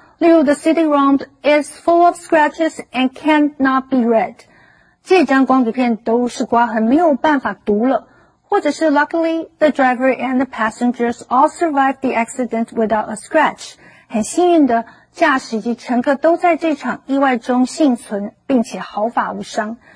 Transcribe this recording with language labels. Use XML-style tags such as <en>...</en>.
<zh>例如</zh> <en>the city round is full of scratches and cannot be read.</en> <zh>这张光碟片都是刮痕，没有办法读了。或者是</zh> <en>luckily, the driver and the passengers all survived the accident without a scratch.</en> <zh>很幸运的，驾驶以及乘客都在这场意外中幸存，并且毫发无伤。</zh>